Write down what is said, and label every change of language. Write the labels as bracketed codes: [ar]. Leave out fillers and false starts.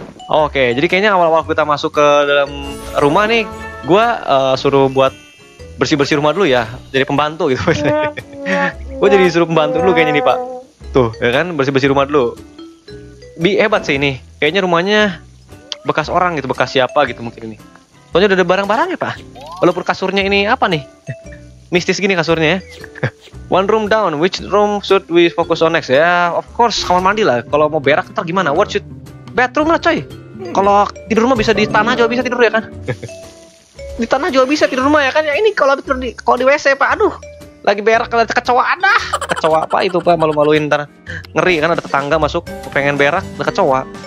[id] Oke, jadi kayaknya awal-awal kita masuk ke dalam rumah nih, gua suruh buat bersih-bersih rumah dulu ya, jadi pembantu gitu. Gua jadi suruh pembantu dulu kayaknya nih, Pak. Tuh, ya kan, bersih-bersih rumah dulu. Hebat sih ini. Kayaknya rumahnya bekas orang gitu, bekas siapa gitu mungkin ini. Soalnya udah ada barang-barang ya, Pak. Walaupun kasurnya ini apa nih? Mistis gini kasurnya ya. [en] One room down, which room should we focus on next? [id] Ya, [en] of course, [id] kamar mandi lah. Kalau mau berak ntar gimana? [en] What should... [id] Bedroom lah, coy. Kalau tidur rumah bisa di tanah juga bisa tidur, ya kan? Di tanah juga bisa tidur rumah, ya kan? Ya ini kalau tidur di WC, Pak, aduh. Lagi berak ada kecoaan dah. Kecoa apa itu, Pak? Malu-maluin ntar. Ngeri kan ada tetangga masuk pengen berak ada kecoa.